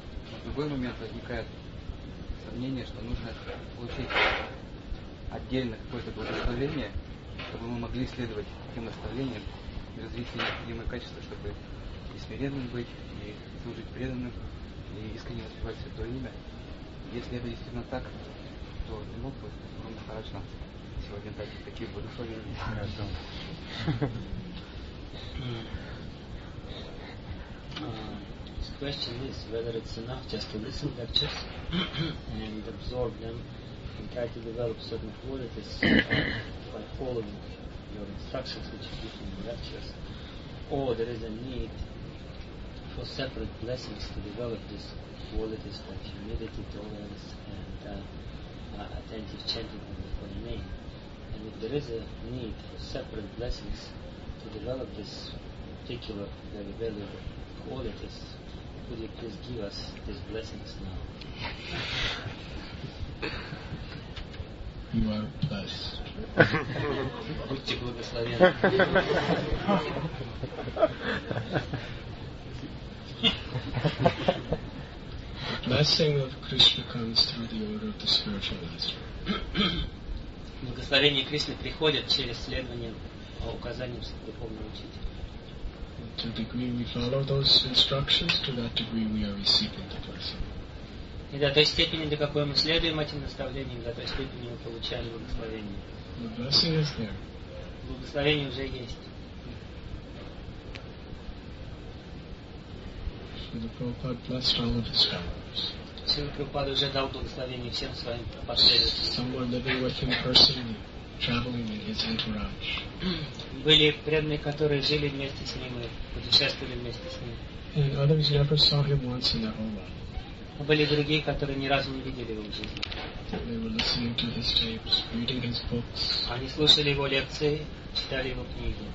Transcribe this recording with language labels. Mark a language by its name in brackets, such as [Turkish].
[Russian] Но в другой момент возникает мнение, что нужно получить отдельно какое-то благословение, чтобы мы могли следовать тем наставлениям, развить необходимые качества, чтобы и смиренным быть, и служить преданным, и искренне воспевать Святое Имя. Если это действительно так, то не мог бы Рома Махарадж нам сегодня дать такие благословения. [English] The question is whether it's enough just to listen to lectures and absorb them and try to develop certain qualities by following your instructions which you give in the lectures, or there is a need for separate blessings to develop these qualities like humility, tolerance, and attentive chanting of the Holy Name. And if there is a need for separate blessings to develop this particular very valuable qualities, could you please give us these blessings now? You are blessed. The blessing of Krishna comes through the order of the spiritual master. [Russian] Благословение Кришны приходит через следование указаниям духовного учителя. [English] To the degree we follow those instructions, to that degree we are receiving the blessing. [Russian] И до той степени, до какой мы следуем этим наставлениям, до той степени мы получаем благословение. [English] The blessing is there. [Russian] Благословение уже есть. [English] Srila Prabhupada blessed all of his scholars. [Russian] Srila Prabhupada уже дал благословение всем своим последователям. [English] Some were living with him personally, traveling in his entourage. [Russian] Были преданные, которые жили вместе с ним и путешествовали вместе с ним. [English] And others never saw him once in their whole life. [Russian] А были другие, которые ни разу не видели его в жизни. [English] They were listening to his tapes, reading his books. [Russian] Они слушали его лекции, читали его книги.